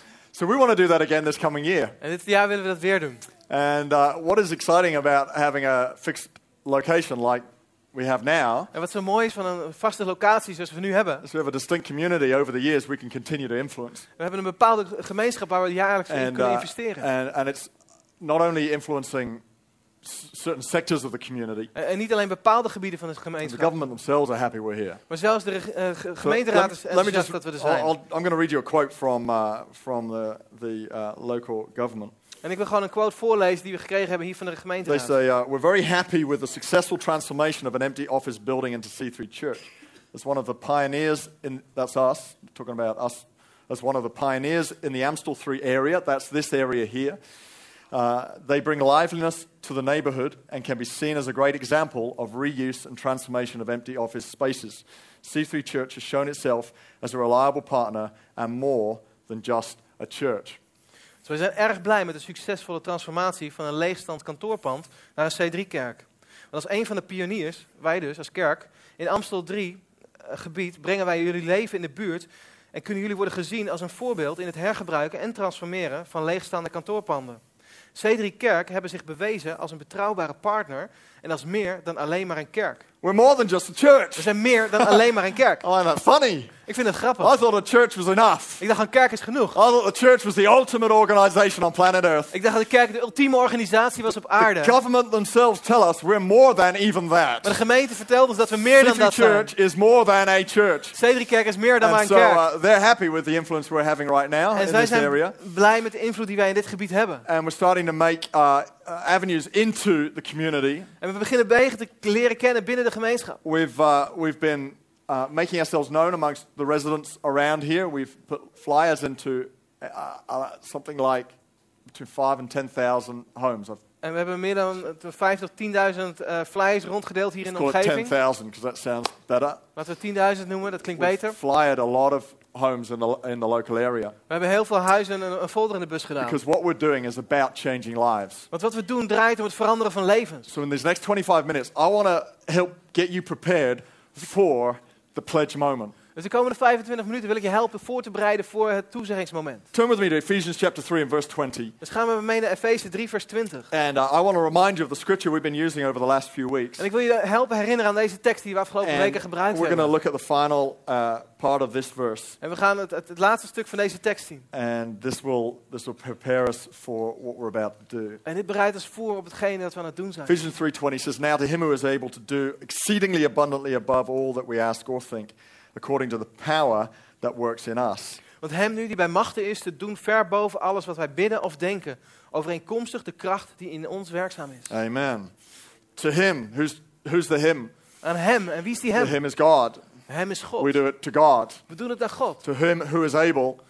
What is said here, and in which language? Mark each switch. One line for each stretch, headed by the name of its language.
English: So we want to do that again this coming year.
Dutch: En dit jaar willen we dat weer doen.
English: And what is exciting about having a fixed location like we have now?
Dutch: En wat zo mooi is van een vaste locatie zoals we nu hebben.
English: Is we have a distinct community over the years we can continue to influence.
Dutch: We hebben een bepaalde gemeenschap waar we jaarlijks in kunnen investeren.
English: And it's not only influencing certain sectors of the community.
Dutch: En niet alleen bepaalde gebieden van de gemeenschap.
English: The government themselves are happy we're here.
Dutch: Maar zelfs de gemeenteraad is enthousiast dat we er zijn.
English: I'm going to read you a quote from the local government.
Dutch: En ik wil gewoon een quote voorlezen die we gekregen hebben hier van de gemeente.
English: They say, we're very happy with the successful transformation of an empty office building into C3 Church. As one of the pioneers in, that's us, talking about us, as one of the pioneers in the Amstel 3 area, that's this area here. They bring liveliness to the neighborhood and can be seen as a great example of reuse and transformation of empty office spaces. C3 Church has shown itself as a reliable partner and more than just a church.
Dutch: We zijn erg blij met de succesvolle transformatie van een leegstand kantoorpand naar een C3-kerk. Want als een van de pioniers, wij dus als kerk, in Amstel 3-gebied brengen wij jullie leven in de buurt en kunnen jullie worden gezien als een voorbeeld in het hergebruiken en transformeren van leegstaande kantoorpanden. C3-kerk hebben zich bewezen als een betrouwbare partner en als meer dan alleen maar een kerk.
English: We're more than just a church.
Dutch: We zijn meer dan alleen maar een kerk.
English: Oh, that's funny.
Dutch: Ik vind het grappig.
English: I thought a church was enough.
Dutch: Ik dacht een kerk is genoeg.
English: I thought the church was the ultimate organization on planet Earth.
Dutch: Ik dacht dat de kerk de ultieme organisatie was op aarde.
English: The government themselves tell us we're more than even that.
Dutch: Maar de gemeente vertelt ons dat we meer dan dat zijn.
English: Church is more than a church.
Dutch: C3-kerk is meer dan
English: and
Dutch: maar
English: so,
Dutch: een kerk.
English: And so they're happy with the influence we're having right now
Dutch: en
English: in
Dutch: zij
English: this
Dutch: zijn
English: area.
Dutch: Blij met de invloed die wij in dit gebied hebben.
English: And we're starting to make avenues into the community.
Dutch: En we beginnen wegen te leren kennen binnen de gemeenschap.
English: We've been making ourselves known amongst the residents around here. We've put flyers into something like between 5,000 and 10,000 homes.
Dutch: En we hebben meer dan 5,000 to 10,000 flyers rondgedeeld hier in de omgeving.
English: 10,000, because that sounds better.
Dutch: Laten we 10,000 noemen, dat klinkt beter.
English: We've flyered a lot of homes in the local area.
Dutch: We hebben heel veel huizen en een folder in de bus gedaan.
English: Because what we're doing is about changing lives.
Dutch: Want wat we doen draait om het veranderen van levens.
English: So in these next 25 minutes, I want to help get you prepared for the pledge moment.
Dutch: Dus de komende 25 minuten wil ik je helpen voor te bereiden voor het toezeggingsmoment.
English: Turn with me to Ephesians chapter 3 and verse 20.
Dutch: Dus gaan we mee naar Efeze 3 vers 20.
English: And I want to remind you of the scripture we've been using over the last few weeks.
Dutch: En ik wil je helpen herinneren aan deze tekst die we afgelopen
English: and
Dutch: weken gebruikt
English: we're
Dutch: hebben.
English: We're going to look at the final part of this verse.
Dutch: En we gaan het laatste stuk van deze tekst zien.
English: And this will prepare us for what we're about to do.
Dutch: En dit bereidt ons voor op hetgeen dat we aan het doen zijn.
English: Ephesians 3:20 says, "Now to him who is able to do exceedingly abundantly above all that we ask or think, according to the power that works in us."
Dutch: Want hem nu die bij machten is te doen ver boven alles wat wij bidden of denken, overeenkomstig de kracht die in ons werkzaam is.
English: Amen. To him, who's the him?
Dutch: Aan hem, en wie is die hem?
English: The him is God.
Dutch: Hem is God.
English: We do it to God.
Dutch: We doen het aan God.
English: To him who is able.